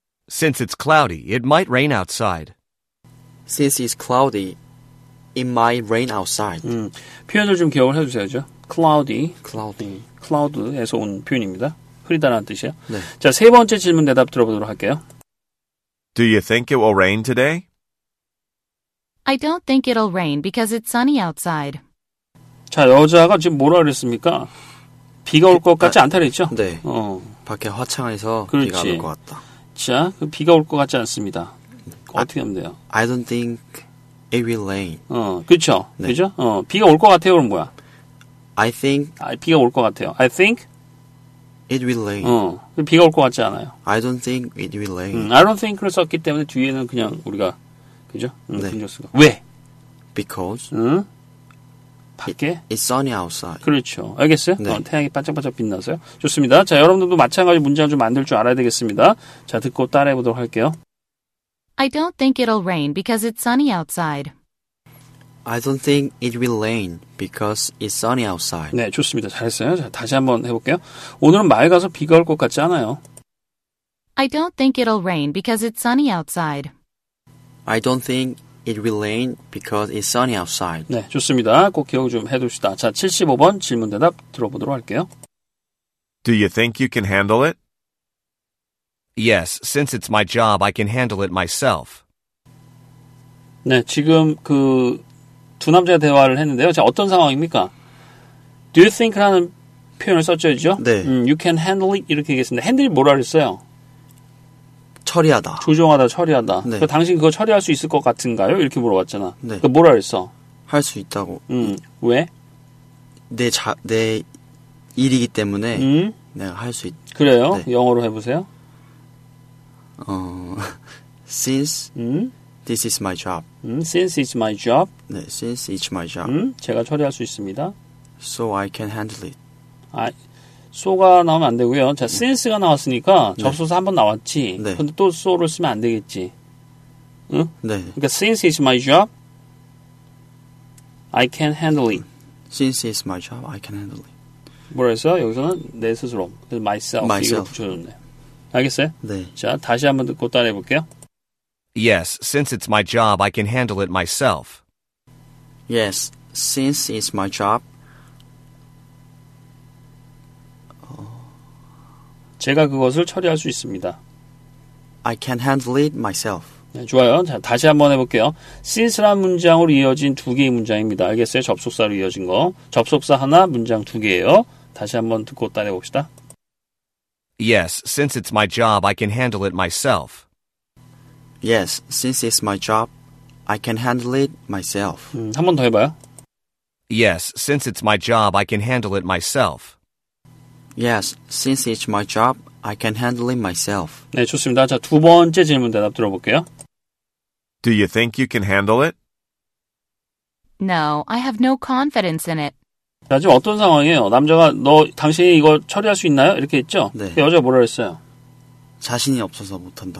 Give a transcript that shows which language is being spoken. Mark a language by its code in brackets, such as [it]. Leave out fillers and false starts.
[en] Since it's cloudy, it might rain outside. Since it's cloudy, it might rain outside. [ko] 표현을 좀 기억을 해주셔야죠. [en] Cloudy. Cloudy. [ko] Cloud에서 온 표현입니다. 흐리다라는 뜻이에요. 네. 자, 세 번째 질문 대답 들어보도록 할게요. [en] Do you think it will rain today? I don't think it'll rain because it's sunny outside. [ko] 자, 여자가 지금 뭐라 그랬습니까? 비가 올 것 같지 않다 그랬죠? 네. 밖에 화창해서 그렇지. 비가 올 것 같다. 자, 비가 올 것 같지 않습니다. 어떻게 하면 돼요? [en] I don't think it will rain. [ko] 그렇죠? 네. 그렇죠? 비가 올 것 같아요, 그럼 뭐야? [en] I think [ko] 비가 올 것 같아요. [en] I think it will rain. [ko] 비가 올 것 같지 않아요. [en] I don't think it will rain. I don't think [ko] 을 썼기 때문에 뒤에는 그냥 우리가 그죠? 네. 근접수가. 왜? [en] Because [ko] 밖에 [en] It's sunny outside. [ko] 그렇죠. 알겠어요? 네. 태양이 반짝반짝 빛나서요. 좋습니다. 자, 여러분들도 마찬가지 문장 좀 만들 줄 알아야 되겠습니다. 자, 듣고 따라해보도록 할게요. [en] I don't think it'll rain because it's sunny outside. I don't think it will rain because it's sunny outside. [ko] 네, 좋습니다. 잘했어요. 자, 다시 한번 해볼게요. 오늘은 마을 가서 비가 올 것 같지 않아요. [en] I don't think it'll rain because it's sunny outside. I don't think it will rain because it's sunny outside. [ko] 네, 좋습니다. 꼭 기억 좀 해둡시다. 자, 75번 질문 대답 들어보도록 할게요. [en] Do you think you can handle it? Yes, since it's my job, I can handle it myself. [ko] 네, 지금 그 두 남자가 대화를 했는데요. 자, 어떤 상황입니까? [en] Do you think [ko] 라는 표현을 썼죠? 네. [en] You can handle it [ko] 이렇게 얘기했습니다. Handle이 뭐라 그랬어요? 처리하다. 조종하다, 처리하다. 네. 그러니까 당신 그거 처리할 수 있을 것 같은가요? 이렇게 물어봤잖아. 네. 그러니까 뭐라 그랬어? 할 수 있다고. 왜? 내 일이기 때문에 내가 할 수 있... 그래요? 네. 영어로 해보세요. [en] Since this is my job. Since it's my job. 네, since it's my job. [ko] 제가 처리할 수 있습니다. [en] So I can handle it. [ko] So가 나오면 안 되고요. 자, since가 나왔으니까 네. 접속사 한번 나왔지. 그런데 네. 또 so를 쓰면 안 되겠지. 네. 그러니까 [en] since it's my job, I can handle it. Since it's my job, I can handle it. [ko] 뭐라 했어? 여기서는 내 스스로. 그래서 myself. 이거 붙여줬네. 알겠어요? 네. 자, 다시 한번 듣고 따라해 볼게요. [en] Yes, since it's my job, I can handle it myself. Yes, since it's my job. [ko] 제가 그것을 처리할 수 있습니다. [en] I can handle it myself. [ko] 네, 좋아요. 자, 다시 한번 해 볼게요. since라는 문장으로 이어진 두 개의 문장입니다. 알겠어요? 접속사로 이어진 거. 접속사 하나, 문장 두 개예요. 다시 한번 듣고 따라해 봅시다. [en] Yes, since it's my job, I can handle it myself. Yes, since it's my job, I can handle it myself. [ko] 한 번 더 해봐요. [en] Yes, since it's my job, I can handle it myself. Yes, since it's my job, I can handle it myself. [ko] 네, 좋습니다. 자, 두 번째 질문 대답 들어볼게요. [en] Do you think you can handle it? No, I have no confidence in it. [ko] 자, 지금 어떤 상황이에요? 남자가 너 당신이 이거 처리할 수 있나요? 이렇게 했죠? 네. 여자가 뭐라 그랬어요? 자신이 없어서 못한다.